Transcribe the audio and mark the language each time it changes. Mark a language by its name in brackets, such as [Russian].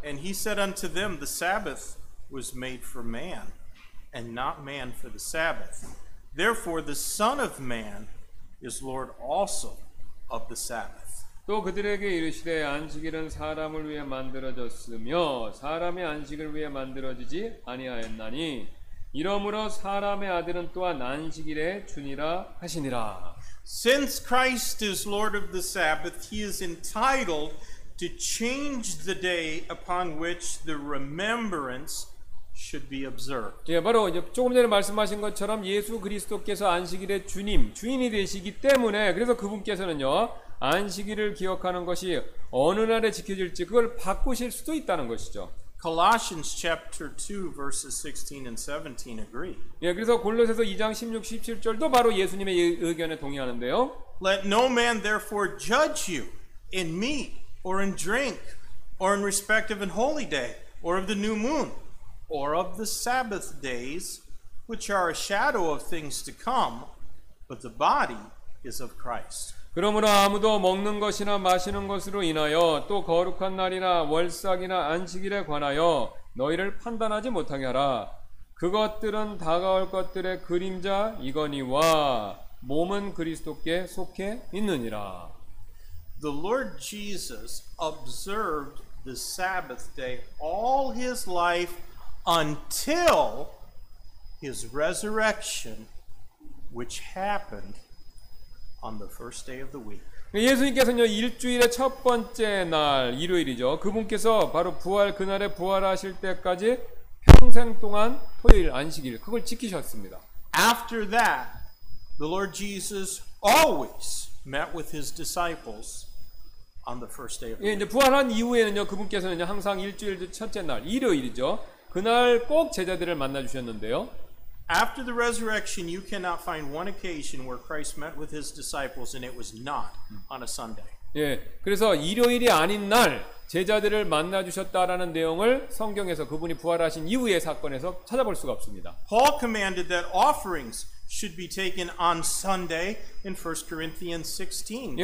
[English] And he said unto them, the Sabbath was made for man, and not man for the Sabbath. Therefore, the Son of Man is Lord also of the Sabbath. [Korean] 또 그들에게 이르시되 안식일은 사람을 위해 만들어졌으며 사람의 안식을 위해 만들어지지 아니하였나니 이러므로 사람의 아들은 또한 안식일의 주니라 하시니라. [English] Since Christ is Lord of the Sabbath, he is entitled to change the day upon which the remembrance should be observed. [Korean] 예, 바로 이제 조금 전에 말씀하신 것처럼 예수 그리스도께서 안식일의 주님, 주인이 되시기 때문에 그래서 그분께서는요 안식일을 기억하는 것이 어느 날에 지켜질지 그걸 바꾸실 수도 있다는 것이죠. [English] Colossians chapter 2 verses 16 and 17 agree. [Korean] 예, 그래서 골로새서 2장 16, 17절도 바로 예수님의 의견에 동의하는데요. [English] Let no man therefore judge you in meat or in drink or in respect of an holy day or of the new moon. Or of the Sabbath days, which are a shadow of things to come, but the body is of Christ. [Korean] 그러므로 아무도 먹는 것이나 마시는 것으로 인하여 또 거룩한 날이나 월삭이나 안식일에 관하여 너희를 판단하지 못하게 하라. 그것들은 다가올 것들의 그림자이거니와 몸은 그리스도께 속해 있느니라. [English] The Lord Jesus observed the Sabbath day all his life. Until his resurrection, which happened on the first day of the week. [Korean] 예수님께서는요 일주일의 첫 번째 날 일요일이죠. 그분께서 바로 부활 그날에 부활하실 때까지 평생 동안 토요일 안식일 그걸 지키셨습니다. [English] After that, the Lord Jesus always met with his disciples. On the first day of the week. [Korean] 예, 이제 부활한 이후에는요 그분께서는요 항상 일주일 첫째 날 일요일이죠. 그날 꼭 제자들을 만나 주셨는데요. [English] After the resurrection, you cannot find one occasion where Christ met with his disciples and it was not on a Sunday. [Korean] 예, 그래서 일요일이 아닌 날 제자들을 만나 주셨다라는 내용을 성경에서 그분이 부활하신 이후의 사건에서 찾아볼 수가 없습니다. [English] Paul commanded that offerings should be taken on Sunday in 1 Corinthians 16.